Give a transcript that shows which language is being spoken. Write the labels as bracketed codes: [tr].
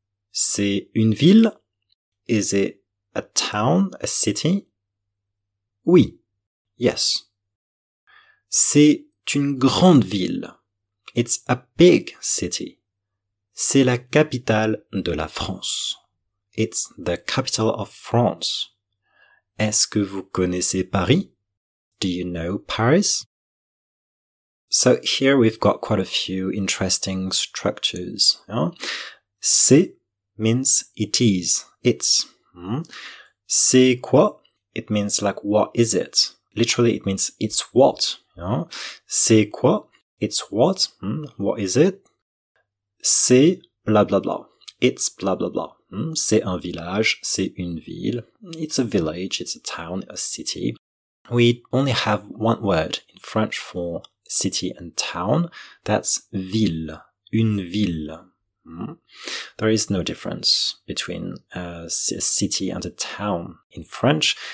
[fr] C'est une ville? [en] Is it a town, a city? [fr] Oui. [en] Yes. [fr] C'est une grande ville. [en] It's a big city. [fr] C'est la capitale de la France. [en] It's the capital of France. [fr] Est-ce que vous connaissez Paris? [en] Do you know Paris? So here we've got quite a few interesting structures. Yeah? C'est means it is. It's. Mm-hmm. [fr] C'est quoi? [en] It means like what is it? Literally it means it's what. Yeah? [fr] C'est quoi? [en] It's what? Mm-hmm. What is it? [fr] C'est blah blah blah. [en] It's blah blah blah. Mm-hmm. [fr] C'est un village, c'est une ville. [en] It's a village, it's a town, a city. We only have one word in French for city and town. That's ville. [fr] Une ville. [en] There is no difference between a city and a town in French.